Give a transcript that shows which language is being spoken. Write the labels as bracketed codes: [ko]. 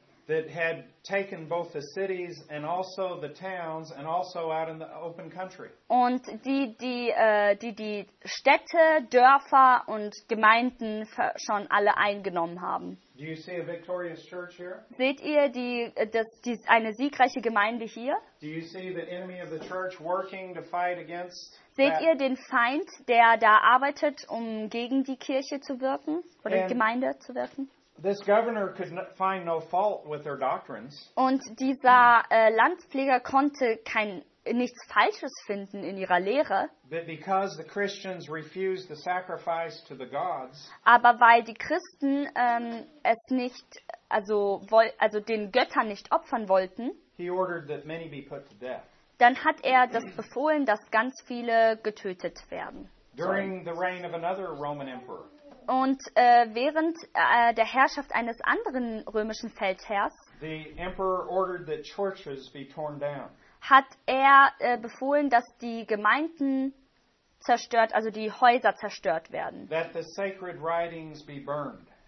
[en] That had taken both the cities and also the towns and also out in the open country. [de] Und die Städte, Dörfer und Gemeinden schon alle eingenommen haben. [en] Do you see a victorious church here? [de] Seht ihr die eine siegreiche Gemeinde hier? [en] Do you see the enemy of the church working to fight against? [de] Seht ihr den Feind, der da arbeitet, um gegen die Kirche zu wirken oder die Gemeinde zu wirken? [en] This governor could find no fault with their doctrines. [de] Und dieser Landpfleger konnte nichts Falsches finden in ihrer Lehre. [en] But because the Christians refused the sacrifice to the gods. [de] Aber weil die Christen es nicht, also den Göttern nicht opfern wollten. [en] He ordered that many be put to death. [de] Dann hat er das befohlen, dass ganz viele getötet werden. [en] During the reign of another Roman emperor. [de] Und während der Herrschaft eines anderen römischen Feldherrs hat er befohlen, dass die Gemeinden zerstört, also die Häuser zerstört werden. [en] That the sacred writings be burned.